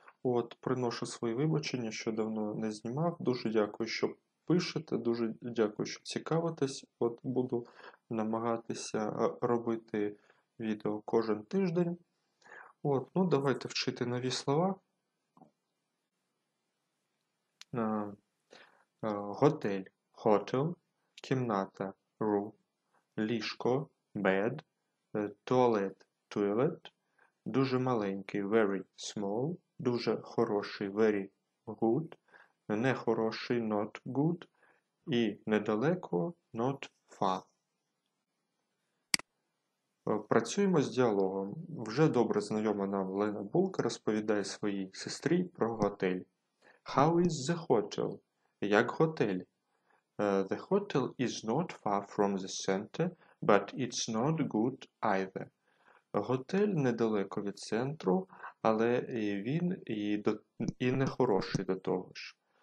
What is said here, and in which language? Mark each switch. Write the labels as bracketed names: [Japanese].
[Ukrainian] От, приношу свої вибачення, що давно не знімав. Дуже дякую, що пишете, дуже дякую, що цікавитесь. От, буду намагатися робити відео кожен тиждень. От, ну давайте вчити нові слова. Готель – hotel, кімната – room, ліжко – bed, туалет – toilet, дуже маленький – very small, дуже хороший – very good, нехороший – not good, і недалеко – not far. Працюємо з діалогом. Вже добре знайома нам Лена Булк розповідає своїй сестрі про готель. [English] How is the hotel? [Ukrainian] Як готель? [English] The hotel is not far from the center, but it's not good either. [Ukrainian] Готель недалеко від центру, але він і не хороший до того ж.